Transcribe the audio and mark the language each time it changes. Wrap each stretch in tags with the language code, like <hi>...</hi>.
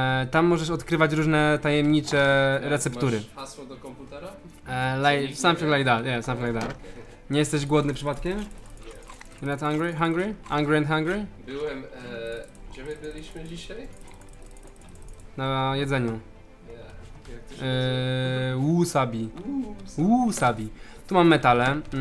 <pl>Tam możesz odkrywać różne tajemnicze receptury. Masz hasło do komputera?</pl> <en>Like, something like that, yeah, something like that. Okay.</en> <pl>Nie jesteś głodny przypadkiem?</pl> <en>Yeah. You're not hungry? Hungry? Hungry and hungry?</en> <pl>Byłem, gdzie my byliśmy dzisiaj? Na jedzeniu.</pl> <en>Yeah.</en> <pl>Wusabi. Wusabi. Tu mam metale.</pl>